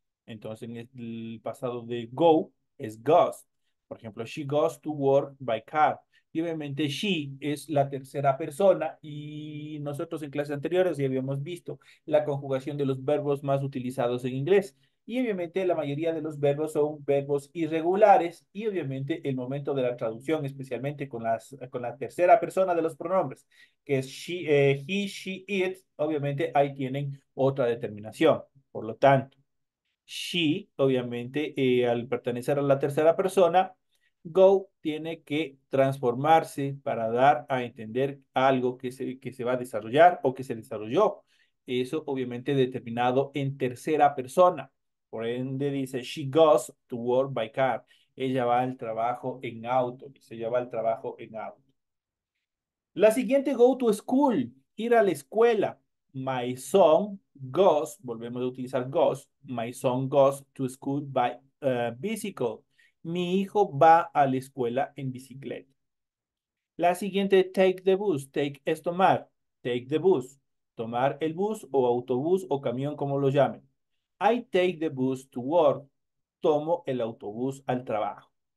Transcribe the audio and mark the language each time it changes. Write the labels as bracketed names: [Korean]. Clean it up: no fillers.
[Spanish] Entonces, el pasado de go es goes. Por ejemplo, [English] she goes to work by car. [Spanish] Y obviamente, she es la tercera persona. Y nosotros en clases anteriores ya habíamos visto la conjugación de los verbos más utilizados en inglés. Y obviamente, la mayoría de los verbos son verbos irregulares. Y obviamente, el momento de la traducción, especialmente con la tercera persona de los pronombres, que es she, he, she, it, obviamente ahí tienen otra determinación. Por lo tanto, she, obviamente, al pertenecer a la tercera persona, go tiene que transformarse para dar a entender algo que se va a desarrollar o que se desarrolló. Eso, obviamente, determinado en tercera persona. Por ende, dice, [English] she goes to work by car. [Spanish] Ella va al trabajo en auto. Dice, ella va al trabajo en auto. La siguiente, [English] go to school. [Spanish] Ir a la escuela. [English] My son goes, [Spanish] volvemos a utilizar goes, [English] my son goes to school by bicycle. [Spanish] Mi hijo va a la escuela en bicicleta. La siguiente, [English] take the bus, [Spanish] take es tomar, take the bus, tomar el bus o autobús o camión, como lo llamen. [English] I take the bus to work, [Spanish] tomo el autobús al trabajo.